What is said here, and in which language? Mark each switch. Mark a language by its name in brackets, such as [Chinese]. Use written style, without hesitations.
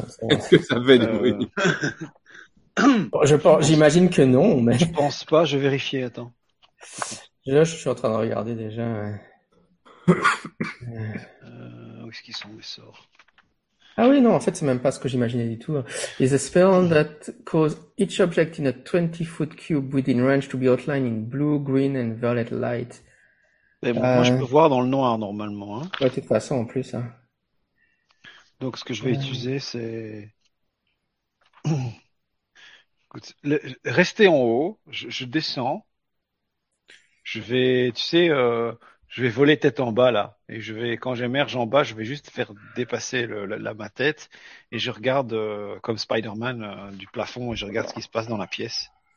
[French] Est-ce que ça fait du bruit? Bon, j'imagine que non, mais... Je pense pas, je vais vérifier, attends. Là, je suis en train de regarder déjà. Où est-ce qu'ils sont, mes sorts? Ah oui, non, en fait, c'est même pas ce que j'imaginais du tout. [English] Is a spell that cause each object in a 20-foot cube within range to be outlined in blue, green and violet light. [French] Mais bon, moi, je peux voir dans le noir, normalement. Hein. Ouais, de toute façon, en plus. Hein. Donc, ce que je vais utiliser, c'est... Écoute, restez en haut, je descends, je vais voler tête en bas là, et je vais, quand j'émerge en bas, je vais juste faire dépasser ma tête, et je regarde comme Spider-Man du plafond, et je regarde ce qui se passe dans la pièce.